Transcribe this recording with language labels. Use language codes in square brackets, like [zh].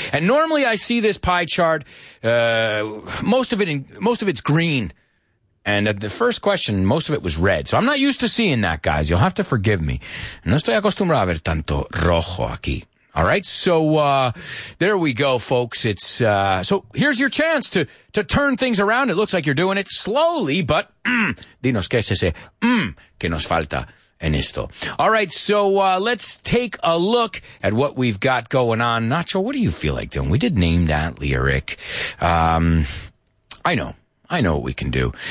[en] And normally I see this pie chart, most of it's green. And at the first question, most of it was red. So I'm not used to seeing that, guys. You'll have to forgive me. [es] No estoy acostumbrado a ver tanto rojo aquí. [en] All right. So, there we go, folks. It's, so here's your chance to turn things around. It looks like you're doing it slowly, but, [es] dinos qué es ese, que nos falta. En esto. [en] All right, so let's take a look at what we've got going on. Nacho, what do you feel like doing? We did name that lyric. I know what we can do.